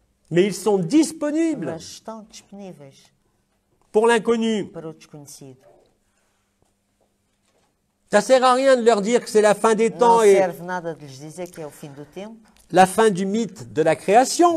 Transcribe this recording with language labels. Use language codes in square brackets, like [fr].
[fr] mais ils sont disponibles, [pt] mas estão disponíveis [fr] pour l'inconnu. [pt] Para o desconhecido. [fr] Ça ne sert à rien de leur dire que c'est la fin des temps [pt] não [fr] et [pt] serve nada de lhes dizer que é o fim do tempo. [fr] La fin du mythe de la création.